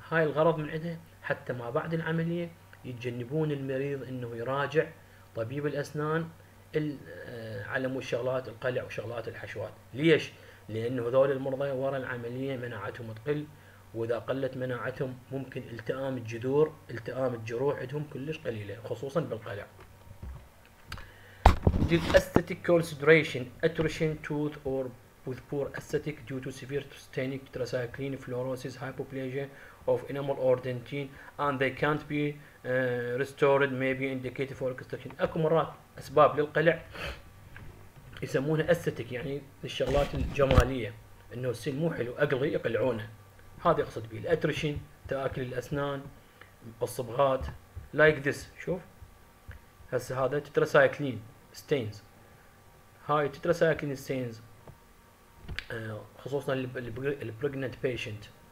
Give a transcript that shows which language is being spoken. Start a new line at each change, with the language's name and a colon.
Arabic: هاي الغرض من عنده حتى ما بعد العمليه يتجنبون المريض انه يراجع طبيب الاسنان على مو شغلات القلع وشغلات الحشوات. ليش؟ لانه هذول المرضى ورا العمليه مناعتهم تقل، واذا قلت مناعتهم ممكن التئام الجذور التئام الجروح عندهم كلش قليله خصوصا بالقلع.
English: Did aesthetic consideration attrition tooth or with poor aesthetic due to severe tetanic tetracycline fluorosis hypoplasia of enamel or dentin and they can't be restored maybe indicated for reconstruction.
Arabic: اكو مرات اسباب للقلع يسمونها aesthetic يعني للشغلات الجماليه انه السن مو حلو اقلي يقلعونه، هذا يقصد به الاترشن تاكل الاسنان الصبغات
English: Like this.
Arabic: شوف هسه هذا تتراسايكلين ستينز، هاي تتراسايكلين ستينز خصوصا البريجننت بيشنت.